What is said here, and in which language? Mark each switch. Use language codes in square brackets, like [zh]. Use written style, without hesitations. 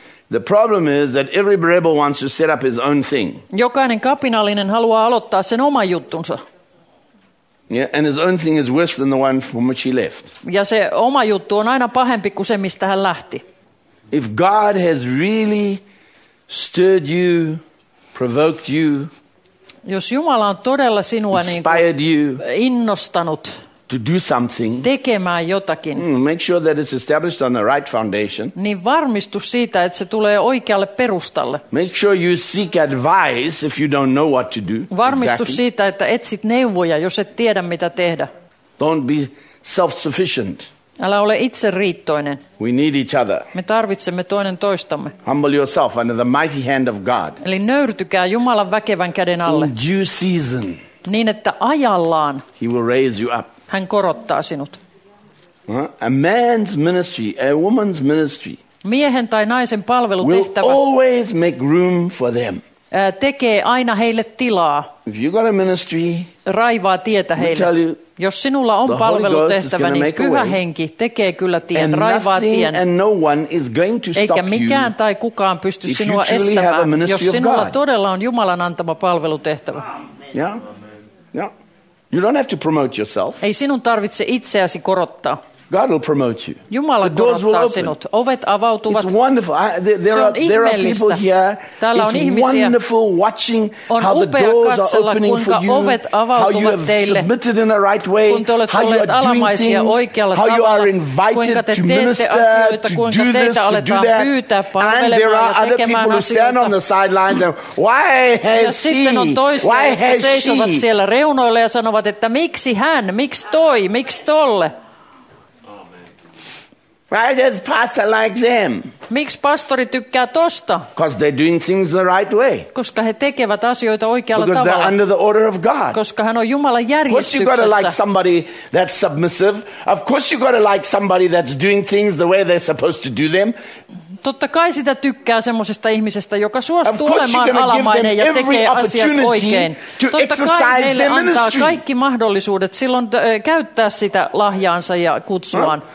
[en] The problem is that every rebel wants to set up his own thing. [fi] Jokainen kapinallinen haluaa aloittaa sen oman juttunsa. [en] Yeah, and his own thing is worse than the one from which he left. [fi] Ja se oma juttu on aina pahempi kuin se, mistä hän lähti. [en] If God has really stirred you, provoked you, [fi] jos Jumala on todella sinua [en] inspired [fi] niin kuin innostanut [en] to do something, [fi] tekemään jotakin, [en] make sure that it's established on the right foundation, [fi] niin varmistu siitä, että se tulee oikealle perustalle. [en] Make sure you seek advice if you don't know what to do. [fi] Varmistu [en] exactly [fi] siitä, että etsit neuvoja, jos et tiedä mitä tehdä. [en] Don't be self-sufficient. [fi] Älä ole itse riittoinen. [en] We need each other. [fi] Me tarvitsemme toinen toistamme. [en] Humble yourself under the mighty hand of God. [fi] Eli nöyrtykää Jumalan väkevän käden alle. [en] In due season, [fi] niin että ajallaan [en] he will raise you up. [fi] Hän korottaa sinut. [en] A man's ministry, a woman's ministry. [fi] Miehen tai naisen palvelutehtävä. [en] Will always make room for them. [fi] Tekee aina heille tilaa. [en] If you got a ministry, [fi] raivaa tietä heille. [en] Tell you, [fi] jos sinulla on palvelutehtävä, niin Pyhä Henki tekee kyllä tien, raivaa tien. [en] And no one is going to stop [fi] eikä mikään tai kukaan pysty sinua estämään, jos sinulla todella on Jumalan antama palvelutehtävä. [en] Amen. Yeah. Yeah. You don't have to promote yourself. [fi] Ei sinun tarvitse itseäsi korottaa. [en] God will promote you. [fi] Jumala korottaa sinut. Ovet avautuvat. [en] It's wonderful. There are people here. [fi] Täällä on ihmisiä. [en] It's wonderful watching how the doors are opening for you. [fi] Ovet avautuvat teille. [en] How you have submitted in the right way. [fi] Kun te olette olleet alamaisia oikealla tavalla. [en] How you are invited to minister, to do this, to do that. And there are other people who stand on the sideline. Why has he? Why has she? [fi] Seisovat siellä reunoilla ja sanovat, että miksi hän? Miksi toi? Miksi tolle? [en] Why does pastor like them? [fi] Miksi pastori tykkää tosta? [en] Because they're doing things the right way. [fi] Koska he tekevät asioita oikealla [en] because [fi] tavalla. [en] Because they're under the order of God. [fi] Koska hän on Jumalan järjestyksessä. [en] Of course you got to like somebody that's submissive. Of course you got to like somebody that's doing things the way they're supposed to do them. [fi] Totta kai sitä tykkää semmoisesta ihmisestä, joka suostuu olemaan alamainen ja tekee asiat oikein. Totta kai heille antaa kaikki mahdollisuudet silloin käyttää sitä lahjaansa ja kutsuaan